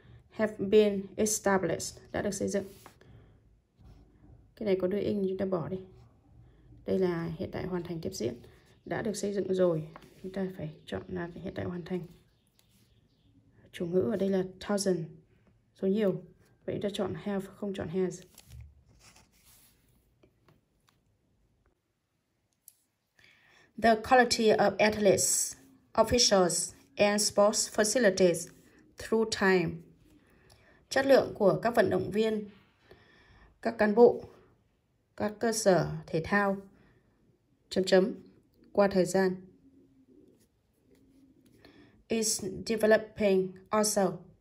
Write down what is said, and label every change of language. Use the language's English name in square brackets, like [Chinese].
[English] Have been established, [Vietnamese] đã được xây dựng. Cái này có đuôi in, chúng ta bỏ đi. Đây là hiện tại hoàn thành tiếp diễn. Đã được xây dựng rồi, chúng ta phải chọn là hiện tại hoàn thành. Chủ ngữ ở đây là thousand, số nhiều. Vậy chúng ta chọn have, không chọn has. [English] The quality of athletes, officials and sports facilities through time. [Vietnamese] Chất lượng của các vận động viên, các cán bộ, các cơ sở thể thao, chấm chấm, qua thời gian. [English] Is developing also.